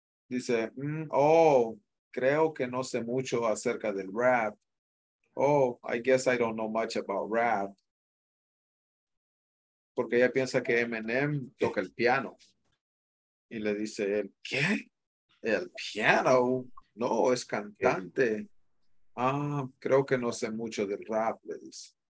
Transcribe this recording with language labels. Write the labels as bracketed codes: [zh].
[es] Dice, creo que no sé mucho acerca del rap. [en] Oh, I guess I don't know much about rap. [es] Porque ella piensa que Eminem toca el piano. Y le dice, ¿qué? ¿El piano? No, es cantante. Ah, creo que no sé mucho del rap, le dice.